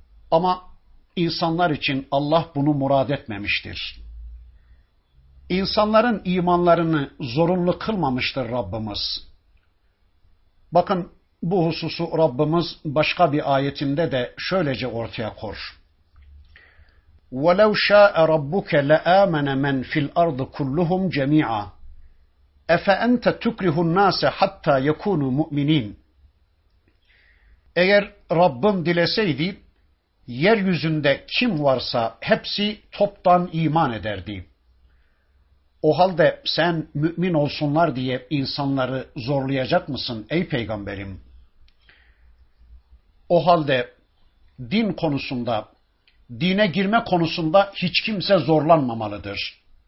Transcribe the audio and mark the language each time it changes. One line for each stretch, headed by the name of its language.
Turkish: Ama insanlar için Allah bunu murad etmemiştir. İnsanların imanlarını zorunlu kılmamıştır Rabbimiz. Bakın bu hususu Rabbimiz başka bir ayetinde de şöylece ortaya koyar.
Arabic: وَلَوْ شَاءَ رَبُّكَ لَآمَنَ مَنْ فِي الْأَرْضِ كُلُّهُمْ جَمِيعًا اَفَاَنْتَ تُكْرِهُ النَّاسَ حَتَّى يَكُونُوا مُؤْمِنِينَ
Turkish: Eğer Rabbim dileseydi, yeryüzünde kim varsa hepsi toptan iman ederdi. O halde sen mümin olsunlar diye insanları zorlayacak mısın ey peygamberim? O halde din konusunda, dine girme konusunda hiç kimse zorlanmamalıdır.